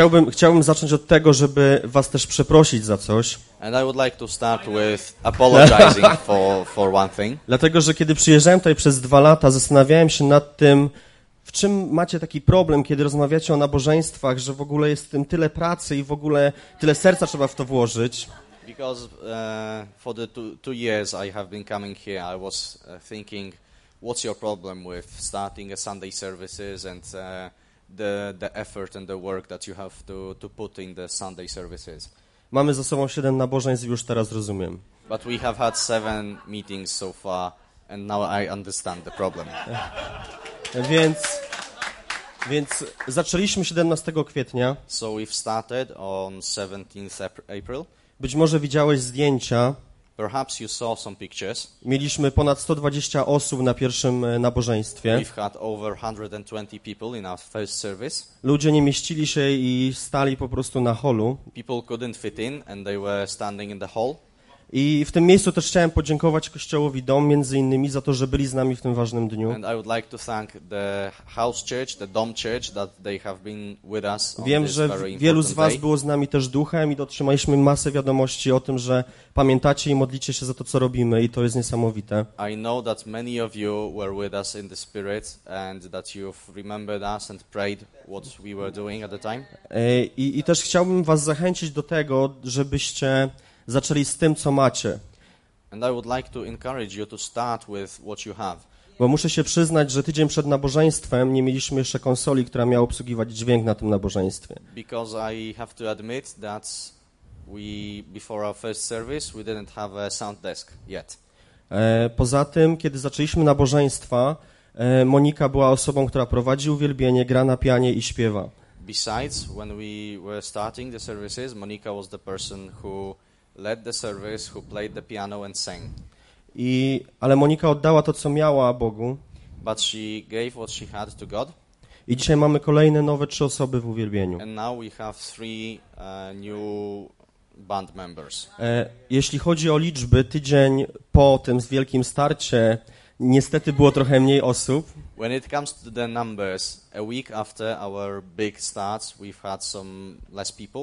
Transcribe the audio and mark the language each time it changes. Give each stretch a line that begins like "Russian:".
Polish: Chciałbym zacząć od tego, żeby was też przeprosić za coś.
English: And I would like to start with apologizing for one thing.
Polish: Dlatego, że kiedy przyjeżdżałem tutaj przez 2 lata, zastanawiałem się nad tym, w czym macie taki problem, kiedy rozmawiacie o nabożeństwach, że w ogóle jest w tym tyle pracy i w ogóle tyle serca trzeba w to włożyć.
English: Because for the two years I have been coming here, I was thinking, what's your problem with starting a Sunday services and the effort and the work that you have to put in the Sunday services.
Polish: Mamy za sobą 7 nabożeństw, już teraz rozumiem.
English: But we have had 7 meetings so far and now I understand the problem.
Polish: Więc zaczęliśmy 17 kwietnia.
English: So we've started on 17th April.
Polish: Być może widziałeś zdjęcia.
English: Perhaps you saw some pictures.
Polish: Mieliśmy ponad 120 osób na pierwszym nabożeństwie.
English: We've had over 120 people in our first service.
Polish: Ludzie nie mieścili się i stali po prostu na holu.
English: People couldn't fit in and they were standing in the hall.
Polish: I w tym miejscu też chciałem podziękować Kościołowi Dom między innymi za to, że byli z nami w tym ważnym dniu.
English: And I would like to thank the house church, the Dom church, that they have been with us.
Polish: Wiem, że wielu z was było z nami też duchem i dotrzymaliśmy masę wiadomości o tym, że pamiętacie i modlicie się za to, co robimy, i to jest niesamowite.
English: I know that many of you were with us in the spirit and that you've remembered us and prayed what we were doing at the time.
Polish: I też chciałbym was zachęcić do tego, żebyście zaczęli z tym, co macie.
English: And I would like to encourage you to start with what you have.
Polish: Bo muszę się przyznać, że tydzień przed nabożeństwem nie mieliśmy jeszcze konsoli, która miała obsługiwać dźwięk na tym nabożeństwie.
English: Because I have to admit that we before our first service we didn't have a sound desk yet.
Polish: Poza tym, kiedy zaczęliśmy nabożeństwa, Monika była osobą, która prowadzi uwielbienie, gra na pianie i śpiewa.
English: Besides, when we were starting the services, Monika was the person who led the service, who played the piano and sang.
Polish: Ale Monika oddała to, co miała Bogu.
English: But she gave what she had to God.
Polish: I dzisiaj mamy kolejne nowe 3 osoby w uwielbieniu.
English: And now we have 3 new band members.
Polish: Jeśli chodzi o liczby, tydzień po tym wielkim starcie niestety było trochę mniej osób.
English: When it comes to the numbers, a week after our big start, we've had some less people.